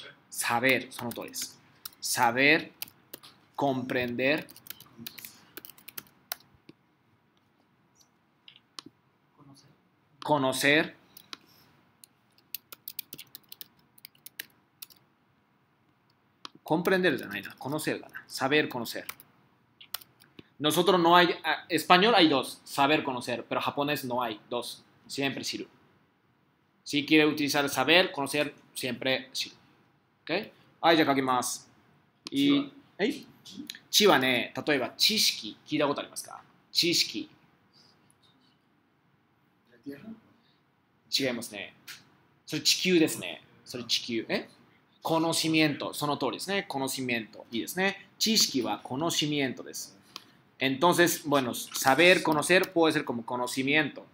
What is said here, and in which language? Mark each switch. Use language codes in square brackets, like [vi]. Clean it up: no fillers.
[es] saber、 [ja] その通りです。 [es] saber、comprender、conocer、comprender じゃないな、conocer だな、saber、conocer。 Nosotros no hay、español hay dos、saber、conocer、pero japonés no hay dos、siempre shiru。 Si quiere utilizar saber、conocer、siempre shiru。 OK? [ja] はい、じゃあ書きます。いい、はい、知はね、例えば知識、聞いたことありますか？知識。違いますね。それ地球ですね。それ地球。え？コノシミエント。その通りですね。コノシミエント。いいですね。知識はコノシミエントです。 [es] Entonces、bueno、saber、conocer、puede ser como conocimiento。